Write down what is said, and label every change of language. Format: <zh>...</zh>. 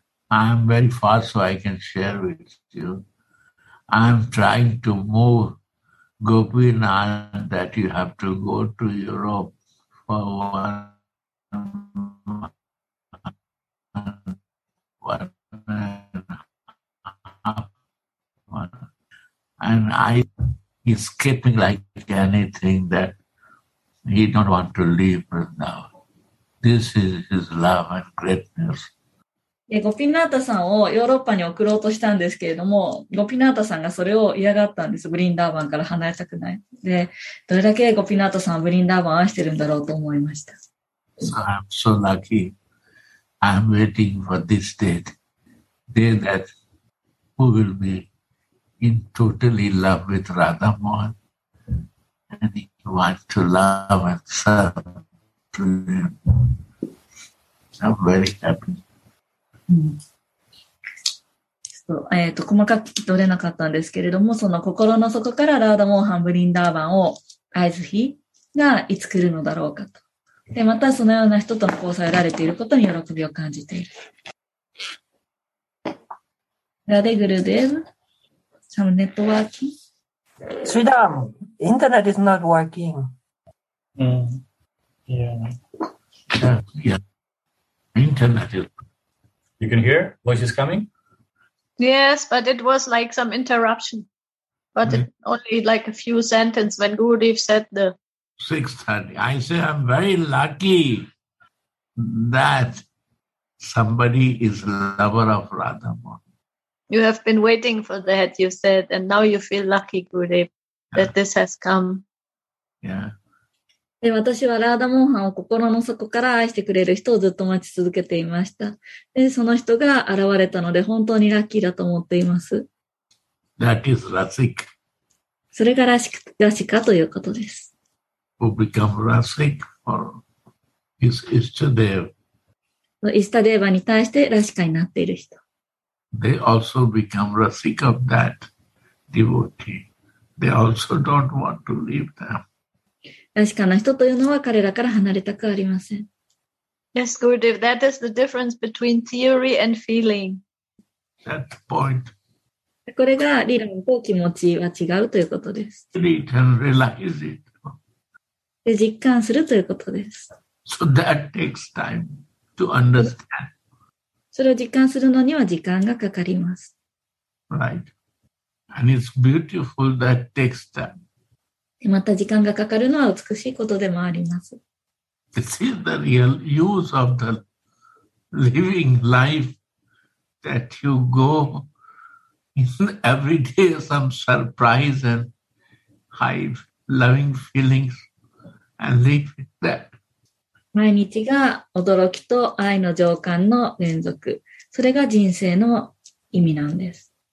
<en>I'm very fast, so I can share with you. I'm trying to move Gopinath that you have to go to Europe for 1.5 months. And he's keeping like anything that he don't want to leave right now. This is his love and greatness.</en> <ja>ゴピナータさんをヨーロッパに送ろうとしたんですけれども、ゴピナータさんがそれを嫌がったんです。ブリンダーバンから離れたくない。で、どれだけゴピナータさんはブリンダーバンを愛してるんだろうと思いました。</ja> <en>I'm so lucky. I'm waiting for this day that who will be in totally love with Radha Mohan and he wants to love and serve. I'm very happy.</en> <ja>うん、細かく聞き取れなかったんですけれども、その心の底からラードモーハンブリンダーバンを愛す日がいつ来るのだろうかと、でまたそのような人との交際を得られていることに喜びを感じている。</ja> <en>ラデグルデブサムネットワーキングスリダムインターネットイズノットワーキング、</en> <ja>うん、いやインターネット</ja> <en>You can hear? Voice is coming? Yes, but it was like some interruption. But only like a few sentences when Gurudev said the... 6:30. I say I'm very lucky that somebody is lover of Radha Mohan. You have been waiting for that, you said, and now you feel lucky, Gurudev, that this has come. Yeah.</en> <ja>私はラーダモーハンを心の底から愛してくれる人をずっと待ち続けていました。で、その人が現れたので本当にラッキーだと思っています。</ja> <en>That is Rasik.</en> <ja>それがラシカということです。</ja> <en>Who become Rasik for his Ishtadeva.</en> <ja>Ishtadeva に対してラシカになっている人。</ja> <en>They also become Rasik of that devotee. They also don't want to leave them.</en> <ja>ラシカの人というのは彼らから離れたくありません。</ja> <en>Yes, Gurudev, that is the difference between theory and feeling. That's the point.</en> <ja>これが理論と気持ちは違うということです。</ja> <en>Read and realize it.</en> <ja>で、実感するということです。</ja> <en>So that takes time to understand.</en> <ja>それを実感するのには時間がかかります。</ja> <en>Right. And it's beautiful that takes time.</en> <ja>また時間がかかるのは美しいことでもあります。</ja> <en>This is the real use of the living life, that you go in every day some surprise and high loving feelings and live with that.</en> <ja>毎日が驚きと愛の情感の連続。それが人生の意味なんです。</ja>